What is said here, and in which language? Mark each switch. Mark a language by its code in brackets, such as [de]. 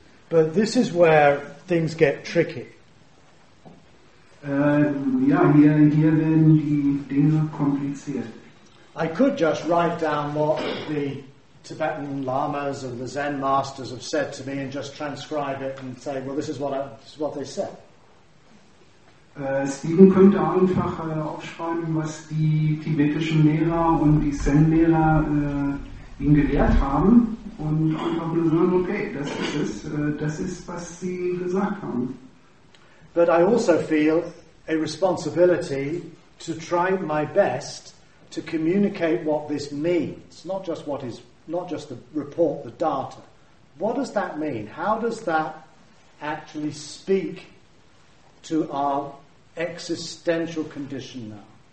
[en] But this is where things get tricky. [de] Hier werden die Dinge kompliziert. [en] I could just write down what the Tibetan lamas and the Zen masters have said to me and just transcribe it and say, well, this is what they said. [de] Steven könnte einfach aufschreiben, was die tibetischen Lehrer und die Zen-Lehrer ihm gelehrt haben und einfach nur sagen, okay, das ist, was sie gesagt haben. [en] But I also feel a responsibility to try my best to communicate what this means, not just the report, the data. What does that mean? How does that actually speak to our existential condition now?